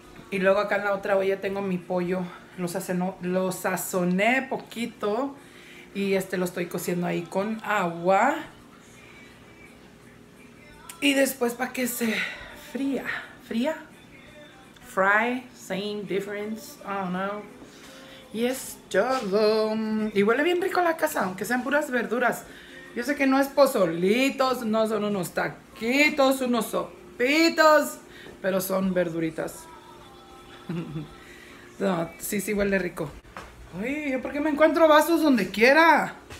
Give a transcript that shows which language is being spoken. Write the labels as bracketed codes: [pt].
[es] Y luego acá en la otra olla tengo mi pollo. Lo sazoné poquito. Y lo estoy cociendo ahí con agua. Y después para que se fría. [en] Fry, same difference, I don't know. [es] Y es todo. Y huele bien rico la casa, aunque sean puras verduras. Yo sé que no es pozolitos, no son unos taquitos, unos sopitos. Pero son verduritas. No, sí, sí huele rico. Uy, ¿yo por qué me encuentro vasos donde quiera?